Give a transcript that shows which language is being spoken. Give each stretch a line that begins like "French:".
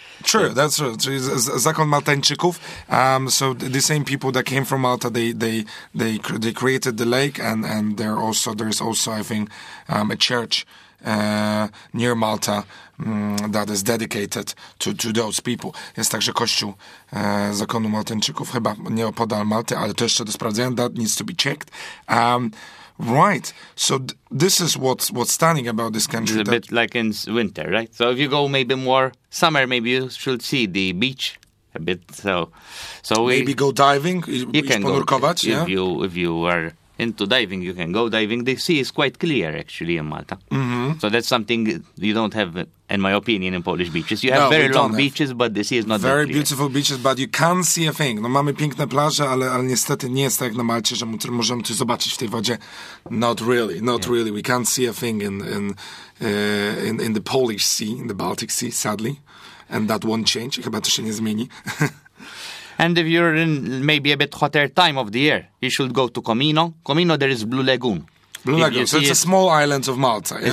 English: True, that's true. Zakon Malteńczyków. So the same people that came from Malta, they created the lake, and there's also I think a church near Malta that is dedicated to those people.
Polish: Jest także kościół Zakonu Malteńczyków, chyba nieopodal Malty, ale to jeszcze do sprawdzenia.
English: That needs to be checked. Right. So this is what's stunning about this country. It's a bit like in winter, right? So if you go maybe more summer, maybe you should see the beach a bit. So maybe go diving. You can go. Kovac, if, yeah? if you are into diving, you can go diving. The sea is quite clear, actually, in Malta. Mm-hmm. So that's something you don't have, in my opinion, in Polish beaches. You have beaches, but the sea is not very that clear. Beautiful beaches, but you can't see a thing.
Polish: No, mamy piękne plaże, ale niestety nie jest tak na Malcie, że możemy tu zobaczyć w tej wodzie.
English: Not really. We can't see a thing in the Polish sea, in the Baltic Sea, sadly. And that won't change.
Polish: Chyba to się nie zmieni.
English: And if you're in maybe a bit hotter time of the year, you should go to Comino. Comino, there is Blue Lagoon. Blue Lagoon, so it's a small island of Malta, yeah?